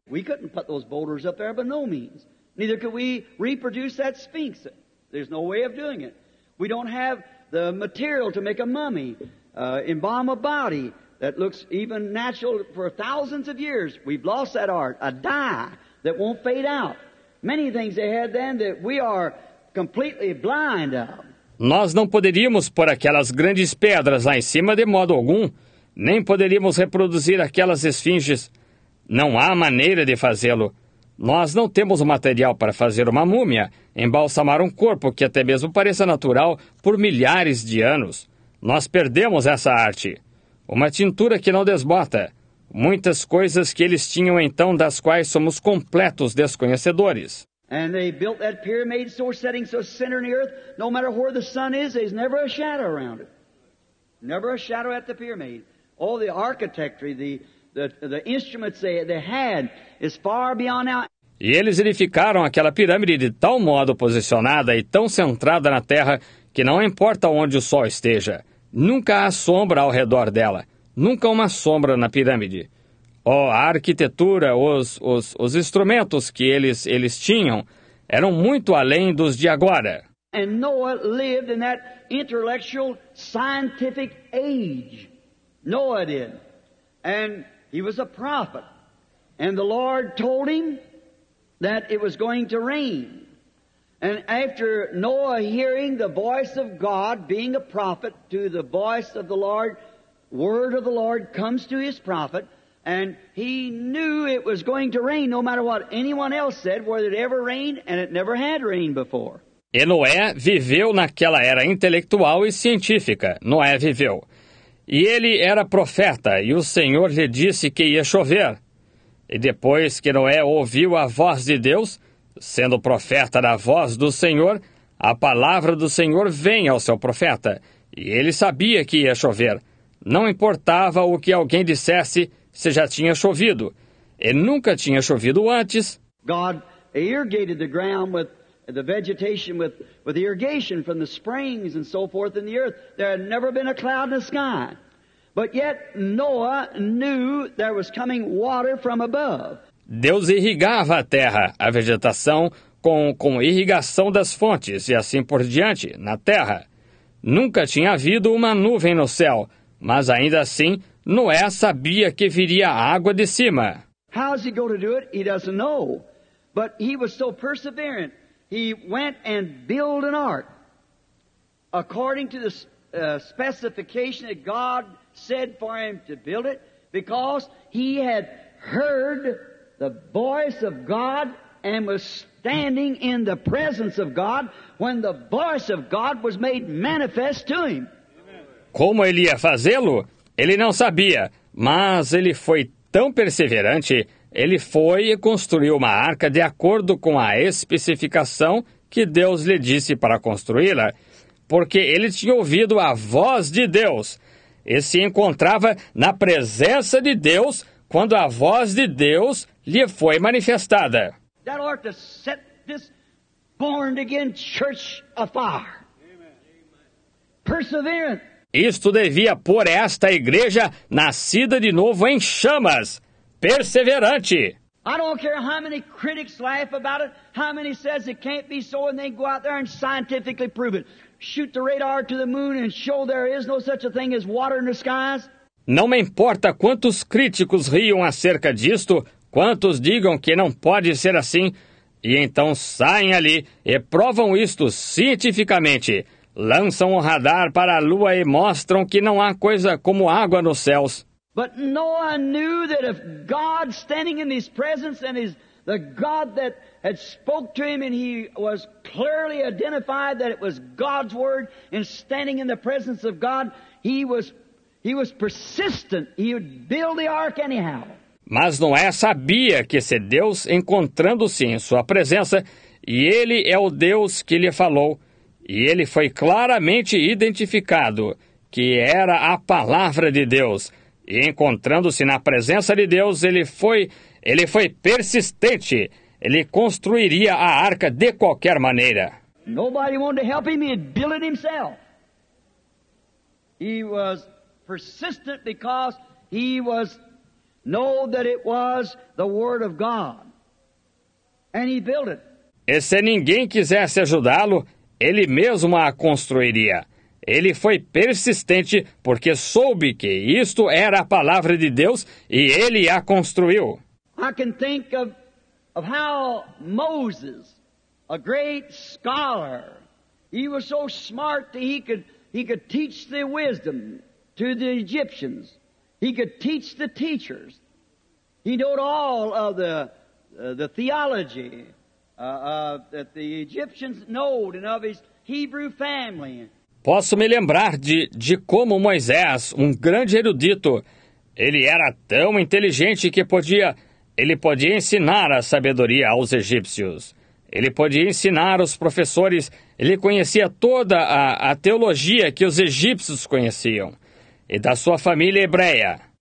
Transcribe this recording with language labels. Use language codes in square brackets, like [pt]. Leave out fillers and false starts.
[en] We couldn't put those boulders up there by no means. Neither could we reproduce that Sphinx. There's no way of doing it. We don't have the material to make a mummy, embalm a body that looks even natural for thousands of years. We've lost that art, a dye that won't fade out. Many things they had then that we are completely blind of. [pt] Nós não poderíamos pôr aquelas grandes pedras lá em cima de modo algum, nem poderíamos reproduzir aquelas esfinges. Não há maneira de fazê-lo. Nós não temos o material para fazer uma múmia, embalsamar um corpo que até mesmo pareça natural por milhares de anos. Nós perdemos essa arte. Uma tintura que não desbota. Muitas coisas que eles tinham então das quais somos completos desconhecedores. [en] And they built that pyramid so setting so center in the earth, no matter where the sun is, there's never a shadow around it. Never a shadow at the pyramid. All the architecture, the instruments they had is far beyond out. [pt] E eles edificaram aquela pirâmide de tal modo posicionada e tão centrada na terra que não importa onde o sol esteja, nunca há sombra ao redor dela. Nunca uma sombra na pirâmide. Oh, a arquitetura, os instrumentos que eles tinham eram muito além dos de agora. [en] And Noah lived in that intellectual scientific age. Noah did. And he was a prophet. And the Lord told him that it was going to rain. And after Noah hearing the voice of God, being a prophet to the voice of the Lord, word of the Lord comes to his prophet, and he knew it was going to rain, no matter what anyone else said, whether it ever rained, and it never had rained before. [pt] E Noé viveu naquela era intelectual e científica. Noé viveu. E ele era profeta, e o Senhor lhe disse que ia chover. E depois que Noé ouviu a voz de Deus, sendo profeta da voz do Senhor, a palavra do Senhor vem ao seu profeta, e ele sabia que ia chover. Não importava o que alguém dissesse, se já tinha chovido. E nunca tinha chovido antes. [en] God irrigated the ground with the vegetation with irrigation from the springs and so forth in the earth. There had never been a cloud in the sky. But yet Noah knew there was coming water from above. [pt] Deus irrigava a terra, a vegetação, com irrigação das fontes e assim por diante, na terra. Nunca tinha havido uma nuvem no céu. Mas ainda assim, Noé sabia que viria água de cima. [en] How is he going to do it? He doesn't know. But he was so perseverant, he went and built an ark according to the specification that God said for him to build it, because he had heard the voice of God and was standing in the presence of God when the voice of God was made manifest to him. [pt] Como ele ia fazê-lo? Ele não sabia, mas ele foi tão perseverante, ele foi e construiu uma arca de acordo com a especificação que Deus lhe disse para construí-la, porque ele tinha ouvido a voz de Deus e se encontrava na presença de Deus quando a voz de Deus lhe foi manifestada. [en] That ought to set this born again church afar. Perseverance. [pt] Isto devia pôr esta igreja nascida de novo em chamas, perseverante. [en] I don't care how many critics laugh about it, how many says it can't be so, and they go out there and scientifically prove it. Shoot the radar to the moon and show there is no such a thing as water in the skies. [pt] Não me importa quantos críticos riam acerca disto, quantos digam que não pode ser assim, e então saem ali e provam isto cientificamente. Lançam o radar para a lua e mostram que não há coisa como água nos céus. [en] But Noah knew that if God standing in his presence and is the God that had spoke to him and he was clearly identified that it was God's word and standing in the presence of God, he was persistent. He would build the ark anyhow. [pt] Mas Noé sabia que se Deus encontrando-se em sua presença, e ele é o Deus que lhe falou, e ele foi claramente identificado que era a palavra de Deus. E encontrando-se na presença de Deus, ele foi persistente. Ele construiria a arca de qualquer maneira. [en] Nobody wanted to help him, he'd build it himself. He was persistent because he was know that it was the word of God. And he built it. [pt] E se ninguém quisesse ajudá-lo, ele mesmo a construiria. Ele foi persistente porque soube que isto era a palavra de Deus e ele a construiu. [en] I can think of how Moses, a great scholar, he was so smart that he could teach the wisdom to the Egyptians. He could teach the teachers. He knew all of the theology that the Egyptians knew and of his Hebrew family. [pt] Posso me lembrar de como Moisés, um grande erudito, ele era tão inteligente que ele podia ensinar a sabedoria aos egípcios. Ele podia ensinar os professores, ele conhecia toda a teologia que os egípcios conheciam e da sua família hebreia.